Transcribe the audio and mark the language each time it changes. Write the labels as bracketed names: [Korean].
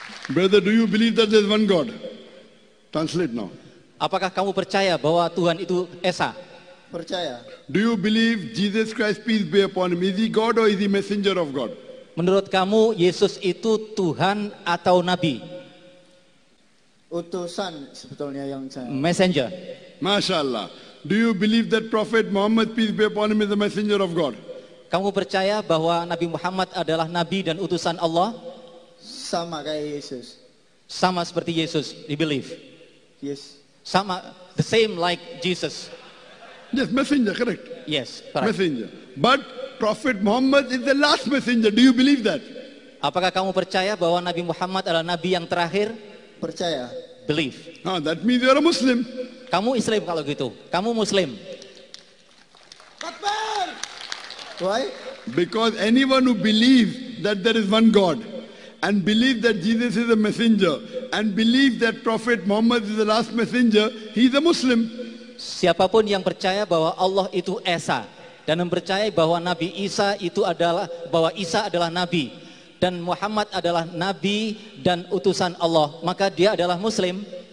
[English] Brother, do you believe that there is one God? Translate now. [Indonesian] Apakah kamu percaya bahwa Tuhan itu Esa? Percaya. [English] Do you believe Jesus Christ, peace be upon him, is he God or is he messenger of God? [Indonesian] Menurut kamu Yesus itu Tuhan atau Nabi? Utusan sebetulnya yang saya. [English] Messenger. [Indonesian] Masya Allah. [English] Do you believe that Prophet Muhammad, peace be upon him, is the messenger of God? [Indonesian] Kamu percaya bahwa Nabi Muhammad adalah Nabi dan utusan Allah? Sama kayak Yesus. Sama seperti Yesus, [English] you believe? Yes. [Indonesian] Sama, [English] the same like Jesus. Yes, messenger, correct. Yes, correct. Messenger. But Prophet Muhammad is the last messenger. Do you believe that? [Indonesian] Apakah kamu percaya bahwa Nabi Muhammad adalah Nabi yang terakhir? Percaya. [English] Believe. Ah, that means you are a Muslim. [Indonesian] Kamu Islam kalau gitu. Kamu Muslim. [English] Takbir! Why? Because anyone who believes that there is one God, and believes that Jesus is a messenger, and believes that Prophet Muhammad is the last messenger, he is a Muslim. [Indonesian] Siapapun yang percaya bahwa Allah itu Esa, dan mempercayai bahwa Nabi Isa itu adalah, bahwa Isa adalah Nabi, dan Muhammad adalah Nabi dan utusan Allah, maka dia adalah Muslim.